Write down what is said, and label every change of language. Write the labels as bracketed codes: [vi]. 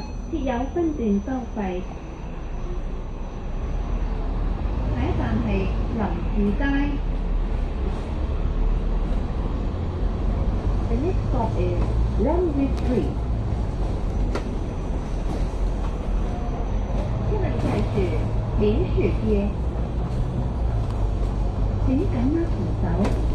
[zh] 设有分段收费，下一站是林士街。 [en] The next stop is Ramsey Street. [zh] 下一站是林士街，请紧握扶手。